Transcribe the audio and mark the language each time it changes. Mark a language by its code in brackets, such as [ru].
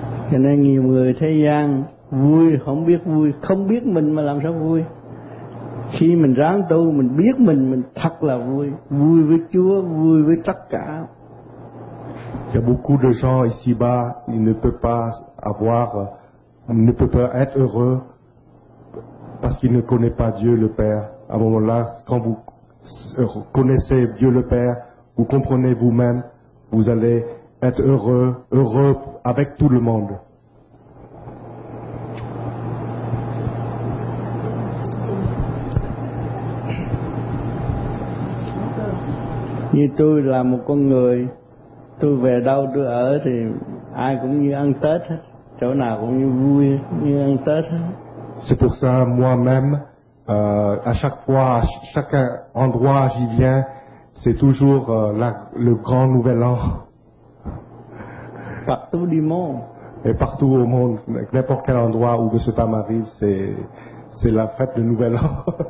[vi] Cho nên nhiều người thế gian vui, không biết vui, không biết mình mà làm sao vui. Khi mình ráng tu, mình biết mình thật là vui, vui với Chúa, vui với tất cả. [fr] Il y a beaucoup de gens ici-bas, ils ne peuvent pas avoir, ne peuvent pas être heureux parce qu'ils ne connaissent pas Dieu le Père. À un moment-là, quand vous connaissez Dieu le Père, vous comprenez vous-même, vous allez être heureux, heureux avec tout le monde. [vi] Như tôi là một con người, tôi về đâu tôi ở thì ai cũng như ăn Tết hết, chỗ nào cũng như vui như ăn Tết hết. [fr] C'est pour ça moi-même, à chaque fois, à chaque endroit où j'y viens, c'est toujours le grand nouvel an. Partout du monde. Et partout au monde, n'importe quel endroit où ce temps arrive, c'est la fête de nouvel an.